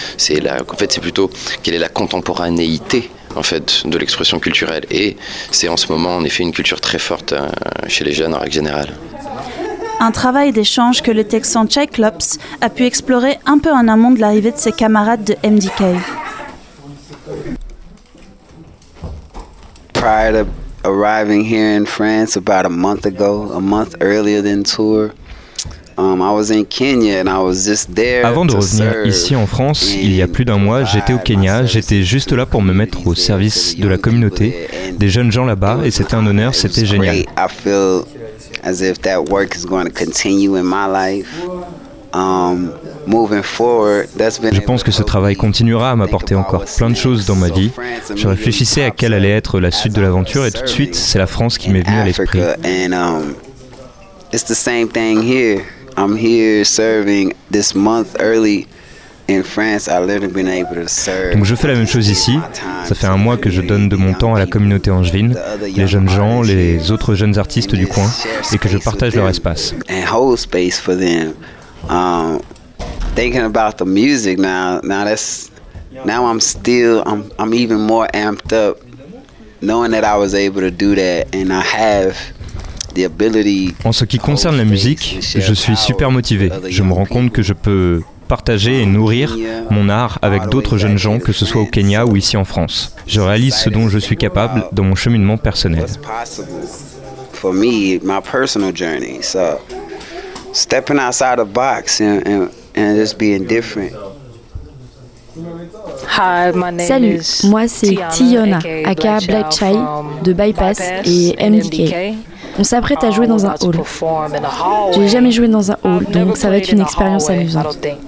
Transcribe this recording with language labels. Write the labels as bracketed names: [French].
[French] C'est plutôt quelle est la contemporanéité en fait de l'expression culturelle, et c'est en ce moment en effet une culture très forte chez les jeunes en règle générale. Un travail d'échange que le Texan Cyclops a pu explorer un peu en amont de l'arrivée de ses camarades de MDK. [English] Prior to arriving here in France about a month ago, a month earlier than tour. [French] Avant de revenir ici en France, il y a plus d'un mois, j'étais au Kenya, j'étais juste là pour me mettre au service de la communauté, des jeunes gens là-bas, et c'était un honneur, c'était génial. Je pense que ce travail continuera à m'apporter encore plein de choses dans ma vie. Je réfléchissais à quelle allait être la suite de l'aventure, et tout de suite, c'est la France qui m'est venue à l'esprit. [English] It's the same thing here. I'm here serving this month early in France. I've literally been able to serve. [French] Donc je fais la même chose ici. Ça fait un mois que je donne de mon temps à la communauté angevine, les jeunes gens, les autres jeunes artistes du coin, et que je partage leur espace. [English] And hold space for them. Thinking about the music now. Now I'm even more amped up, knowing that I was able to do that and I have. [French] En ce qui concerne la musique, je suis super motivé. Je me rends compte que je peux partager et nourrir mon art avec d'autres jeunes gens, que ce soit au Kenya ou ici en France. Je réalise ce dont je suis capable dans mon cheminement personnel. [English] For me, my personal journey. So, stepping outside the box and just being different. [French] Salut, moi c'est Tiona, aka Black Chai, de Bypass et MDK. On s'apprête à jouer dans un hall. J'ai jamais joué dans un hall, donc ça va être une expérience amusante.